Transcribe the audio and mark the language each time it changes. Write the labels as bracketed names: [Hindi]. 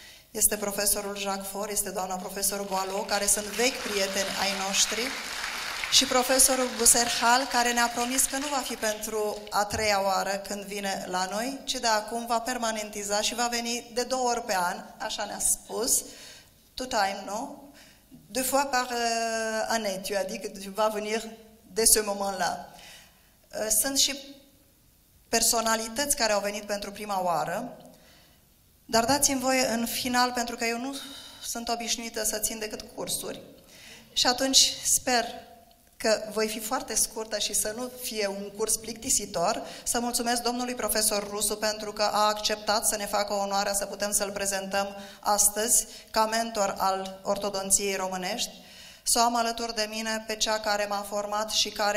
[Romanian] Este profesorul Jacques Faure, este doamna profesor Boileau, care sunt vechi prieteni ai noștri, și profesorul Buserhal, care ne-a promis că nu va fi pentru a treia oară când vine la noi, ci de acum va permanentiza și va veni de două ori pe an, așa ne-a spus. [French] Tout time, non? Deux fois par année, tu as dit que tu vas venir de ce moment-là. [Romanian] Sunt și personalități care au venit pentru prima oară, dar dați-mi voie în final, pentru că eu nu sunt obișnuită să țin decât cursuri. Și atunci sper că voi fi foarte scurtă și să nu fie un curs plictisitor, să mulțumesc domnului profesor Rusu pentru că a acceptat să ne facă onoarea să putem să-l prezentăm astăzi ca mentor al ortodonției românești, să o am alături de mine pe cea care m-a format și